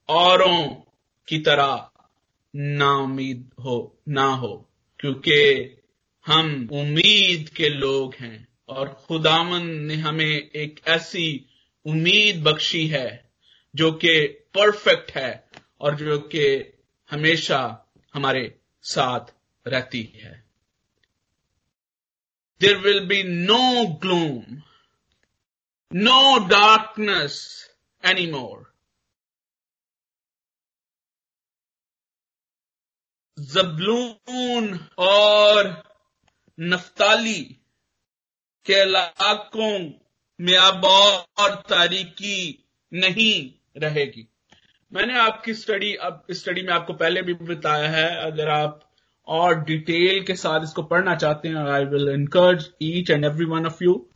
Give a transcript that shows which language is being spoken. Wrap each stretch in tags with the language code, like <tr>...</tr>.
<ur>اوروں کی طرح نا امید ہو نہ ہو، کیونکہ ہم امید کے لوگ ہیں اور خداوند نے ہمیں ایک ایسی امید بخشی ہے جو کہ پرفیکٹ ہے اور جو کہ ہمیشہ ہمارے ساتھ رہتی ہے.</ur> <en>There will be no gloom, no darkness anymore.</en> <ur>Zebulun اور نفتالی کے علاقوں میں اب اور تاریکی نہیں رہے گی. میں نے آپ کی اسٹڈی میں آپ کو پہلے بھی بتایا ہے، اگر آپ اور ڈیٹیل کے ساتھ اس کو پڑھنا چاہتے ہیں،</ur> <en>I will encourage each and every one of you.</en>